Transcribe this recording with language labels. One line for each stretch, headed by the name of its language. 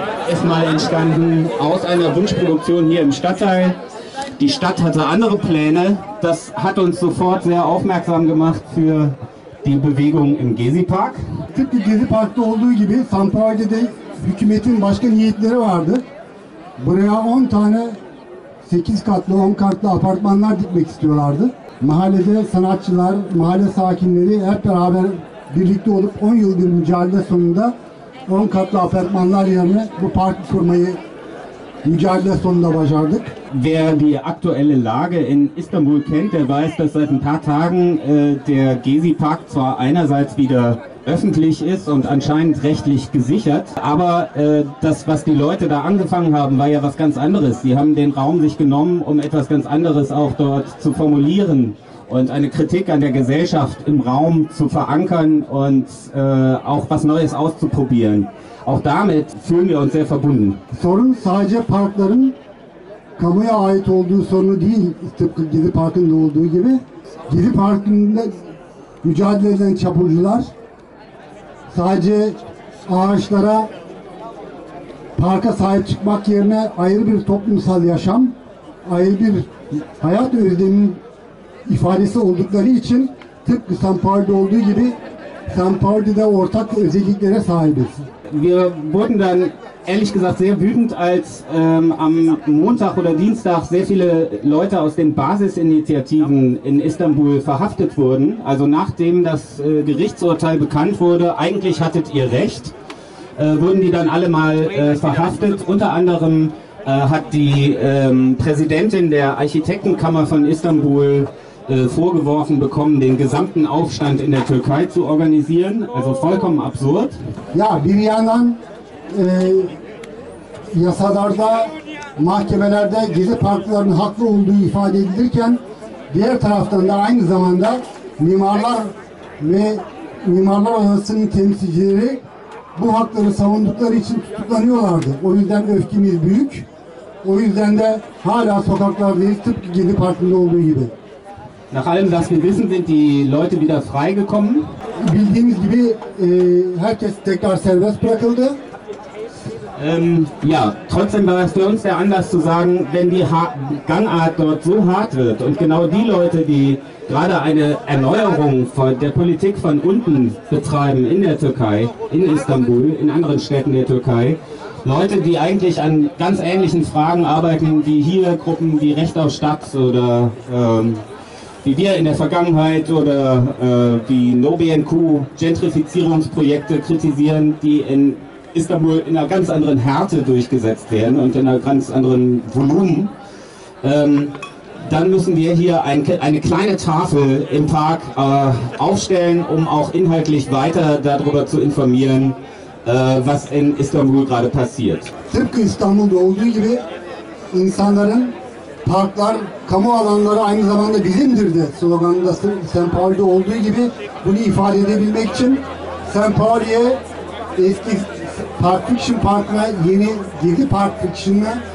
German: Ist mal entstanden aus einer Wunschproduktion hier im Stadtteil. Die Stadt hatte andere Pläne. Das hat uns sofort sehr aufmerksam gemacht für die Bewegung im Gezi-Park.
Turkish: Tıpkı Gezi-Park'ta olduğu gibi Sampaio'da da hükümetin başka niyetleri vardı. Buraya 10 tane 8 katlı, 10 katlı apartmanlar dikmek istiyorlardı. Mahallede sanatçılar, mahalle sakinleri hep beraber birlikte olup 10 yıl bir mücadele sonunda 10 katlı apartmanlar yerine bu parkı kurmayı mücadele sonunda başardık.
German: Wer die aktuelle Lage in Istanbul kennt, der weiß, dass seit ein paar Tagen der Gezi Park zwar einerseits wieder öffentlich ist und anscheinend rechtlich gesichert, aber das, was die Leute da angefangen haben, war ja was ganz anderes. Sie haben den Raum sich genommen, um etwas ganz anderes auch dort zu formulieren und eine Kritik an der Gesellschaft im Raum zu verankern und auch was Neues auszuprobieren. Auch damit fühlen wir uns sehr verbunden.
Turkish: Sorun sadece parkların kamuya ait olduğu sorunu değil, tıpkı Gezi Parkı'nda olduğu gibi. Gezi Parkı'nda mücadele eden çapulcular sadece ağaçlara, parka sahip çıkmak yerine ayrı bir toplumsal yaşam, ayrı bir hayat özlemi ifadesi oldukları için tıpkı San Pardo olduğu gibi San Pardo'da ortak özelliklere sahibiz.
German: Wir wurden dann ehrlich gesagt sehr wütend, als am Montag oder Dienstag sehr viele Leute aus den Basisinitiativen in Istanbul verhaftet wurden. Also nachdem das Gerichtsurteil bekannt wurde, eigentlich hattet ihr recht, wurden die dann alle mal verhaftet. Unter anderem hat die Präsidentin der Architektenkammer von Istanbul vorgeworfen bekommen, den gesamten Aufstand in der Türkei zu organisieren. Also vollkommen absurd.
Turkish: Ja, bir yandan yasalarda, mahkemelerde Gezi Parkları'nın haklı olduğu ifade edilirken, diğer taraftan da aynı zamanda mimarlar ve mimarlar odasının temsilcileri bu hakları savundukları için tutuklanıyorlardı. O yüzden öfkemiz büyük. O yüzden de hala sokaklardayız, tıpkı Gezi Parkı'nda olduğu gibi.
German: Nach allem, was wir wissen, sind die Leute wieder freigekommen.
Turkish: Bildiğimiz gibi herkes tekrar serbest bırakıldı.
German: Ja, trotzdem war es für uns der Anlass zu sagen, wenn die Gangart dort so hart wird und genau die Leute, die gerade eine Erneuerung von der Politik von unten betreiben in der Türkei, in Istanbul, in anderen Städten der Türkei, Leute, die eigentlich an ganz ähnlichen Fragen arbeiten, wie hier Gruppen wie Recht auf Stadt oder wie wir in der Vergangenheit oder die NoBNQ Gentrifizierungsprojekte kritisieren, die in Istanbul in einer ganz anderen Härte durchgesetzt werden und in einer ganz anderen Volumen, dann müssen wir hier eine kleine Tafel im Park aufstellen, um auch inhaltlich weiter darüber zu informieren, was in Istanbul gerade passiert.
Turkish: Tıpkı İstanbul'da olduğu gibi insanların parklar, kamu alanları aynı zamanda bizimdir de sloganında San Pauli'de olduğu gibi bunu ifade edebilmek için San Pauli'ye eski Park Fiction Park'a yeni Gezi Park Fiction'a